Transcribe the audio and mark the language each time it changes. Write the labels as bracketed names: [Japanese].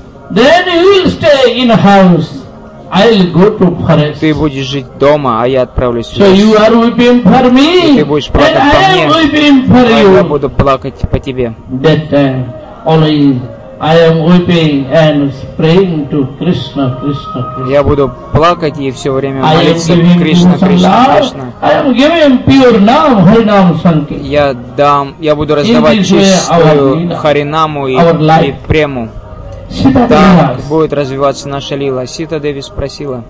[English] Then you will stay in a house. I'll go to forest. [Russian] Ты будешь жить дома, а я отправлюсь в лес. [English] So you are weeping for me. [Russian] Ты будешь плакать по мне. [English] And I am weeping for you. [Russian] Я буду плакать по тебе. [English] That time only I am weeping and praying to Krishna, Krishna, Krishna. [Russian] Я буду плакать и все время молиться Кришна, Кришна, Кришна, Кришна. [English] I am giving pure Nam, Harinam Sankirtan. [Russian] Я дам, я буду раздавать чистую Харинаму и прему. Так будет развиваться наша лила. Сита Деви спросила.